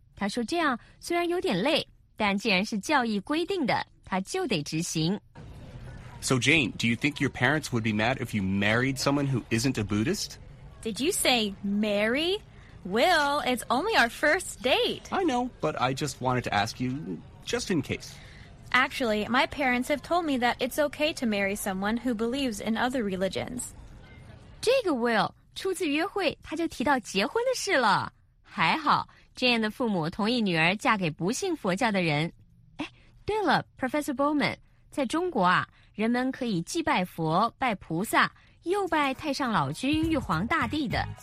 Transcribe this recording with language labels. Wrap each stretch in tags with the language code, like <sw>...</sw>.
<zh>他说这样虽然有点累，但既然是教义规定的，他就得执行。</zh> <en>So Jane, do you think your parents would be mad if you married someone who isn't a Buddhist? Did you say marry? Will, it's only our first date. I know, but I just wanted to ask you, just in case. Actually, my parents have told me that it's okay to marry someone who believes in other religions.</en> <zh>这个 Will, 初次约会他就提到结婚的事了。还好 Jane 的父母同意女儿嫁给不信佛教的人。哎，对了 Professor Bowman, 在中国啊，人们可以既拜佛拜菩萨，又拜太上老君玉皇大帝的。</zh>